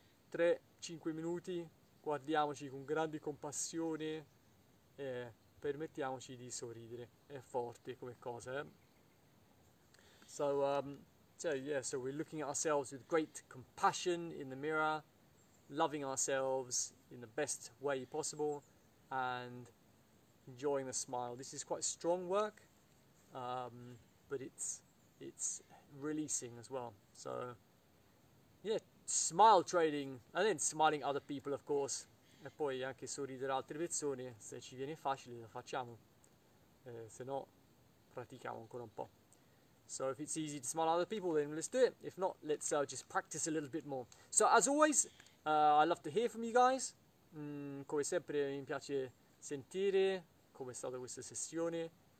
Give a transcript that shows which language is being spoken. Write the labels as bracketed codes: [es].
[it] 3-5 minuti, guardiamoci con grande compassione e permettiamoci di sorridere. È forte come cosa, eh? [en] So we're looking at ourselves with great compassion in the mirror, loving ourselves in the best way possible, and enjoying the smile. This is quite strong work, but it's releasing as well. So, yeah, smile training, and then smiling other people, of course. [it] E poi anche sorridere altre persone, se ci viene facile, lo facciamo. Se no, pratichiamo ancora un po'. [en] So if it's easy to smile at other people, then let's do it. If not, let's just practice a little bit more. So as always, I love to hear from you guys. [it] Come sempre mi piace sentire come è stata questa sessione.